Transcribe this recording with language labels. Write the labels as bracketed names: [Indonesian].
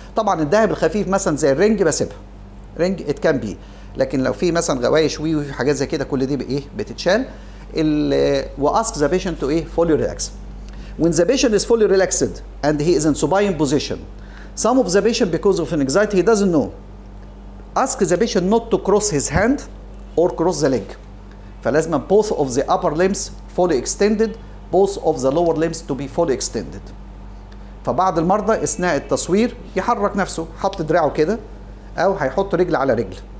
[Arabic] طبعا الذهب الخفيف مثلا زي الرينج بسيبها. [English] Range, it can be. [Arabic] لكن لو في مثلا غوايش وفي حاجات زي كده, كل دي بإيه؟ بتتشال. [English] وأسك the patient to إيه؟ fully relaxed. When the patient is fully relaxed and he is in supine position, some of the patient because of an anxiety, he doesn't know. Ask the patient not to cross his hand or cross the leg. [Arabic] فلازم [English] both of the upper limbs fully extended, both of the lower limbs to be fully extended. [Arabic] فبعض المرضى اثناء التصوير يحرك نفسه, حط دراعه كده او هيحط رجل على رجل.